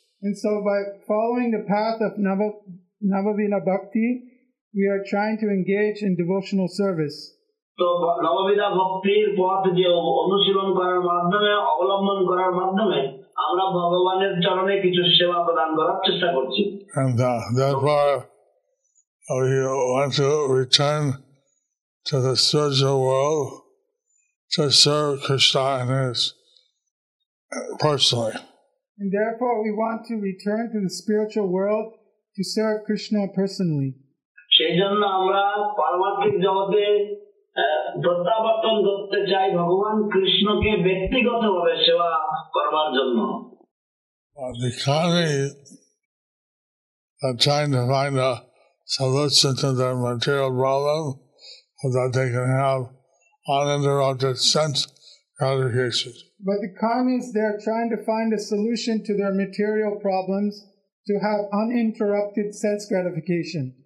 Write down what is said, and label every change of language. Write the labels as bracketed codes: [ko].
[en] And so by following the path of Bhava-Vita Bhakti, we are trying to engage in devotional service. [bn] তো নববিধা ভক্তির পথ যে অনুশীলন করার মাধ্যমে, অবলম্বন করার মাধ্যমে আমরা ভগবানের চরণে কিছু সেবা প্রদান করার চেষ্টা করছি। [en] And therefore we want to return to the spiritual world to serve Krishna and his personally. And therefore we want to return to the spiritual world to serve Krishna personally. [bn] সেই জন্য আমরা পারমার্থিক জগতে প্রত্যাবর্তন করতে চাই ভগবান কৃষ্ণকে ব্যক্তিগত ভাবে সেবা করবার জন্য। [en] The karmis are trying to find a solution to their material problem so that they can have uninterrupted sense gratification. But the karmis, they are trying to find a solution to their material problems to have uninterrupted sense gratification.